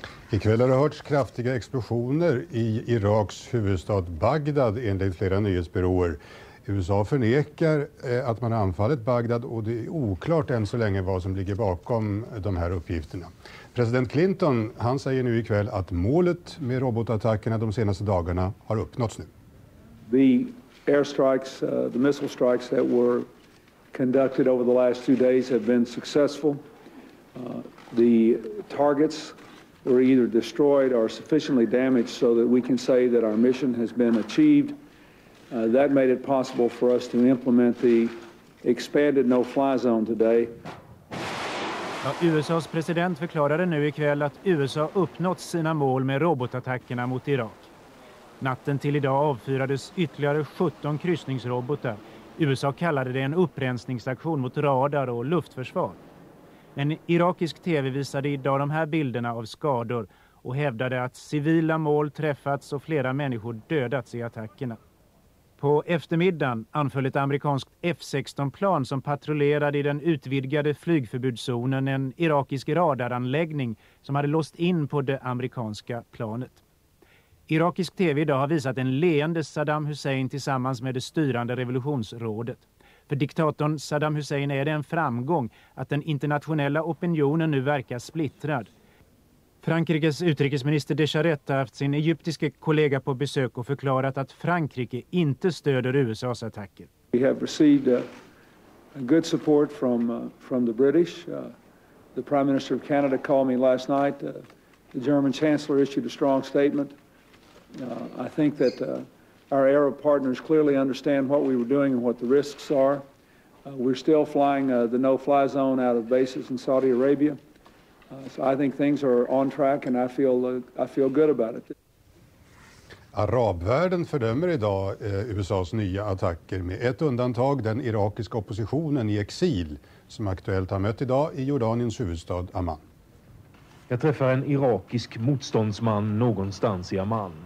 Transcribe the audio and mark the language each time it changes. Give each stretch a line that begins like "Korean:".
Swedish: I kväll har det hörts kraftiga explosioner i Iraks huvudstad Bagdad enligt flera nyhetsbyråer. USA förnekar att man har anfallit Bagdad och det är oklart än så länge vad som ligger bakom de här uppgifterna. President Clinton, han säger nu ikväll att målet med robotattackerna de senaste dagarna har uppnåtts nu.
English: The airstrikes, the missile strikes that were conducted over the last two days have been successful. The targets were either destroyed or sufficiently damaged so that we can say that our mission has been achieved. That made it possible for us to implement the expanded no-fly zone today.
Swedish: Ja, USAs president förklarade nu ikväll att USA uppnått sina mål med robotattackerna mot Irak. Natten till idag avfyrades ytterligare 17 kryssningsrobotar. USA kallade det en upprensningsaktion mot radar och luftförsvar. En irakisk TV visade idag de här bilderna av skador och hävdade att civila mål träffats och flera människor dödats i attackerna. På eftermiddagen anföll ett amerikanskt F-16-plan som patrullerade i den utvidgade flygförbudszonen en irakisk radaranläggning som hade låst in på det amerikanska planet. Irakisk TV idag har visat en leende Saddam Hussein tillsammans med det styrande revolutionsrådet. För diktatorn Saddam Hussein är det en framgång att den internationella opinionen nu verkar splittrad. Frankrikes utrikesminister de Charette har haft sin egyptiske kollega på besök och förklarat att Frankrike inte stöder USA:s attacker.
English: We have received good support from the British. The Prime Minister of Canada called me last night. The German Chancellor issued a strong statement. I think that our Arab partners clearly understand what we were doing and what the risks are. We're still flying the no-fly zone out of bases in Saudi Arabia. So I think things are on track and I feel good about it.
Swedish: Arabvärlden fördömer idag USA:s nya attacker, med ett undantag, den irakiska oppositionen i exil som aktuellt har mött idag i Jordaniens huvudstad Amman. Jag träffar en irakisk motståndsman någonstans i Amman.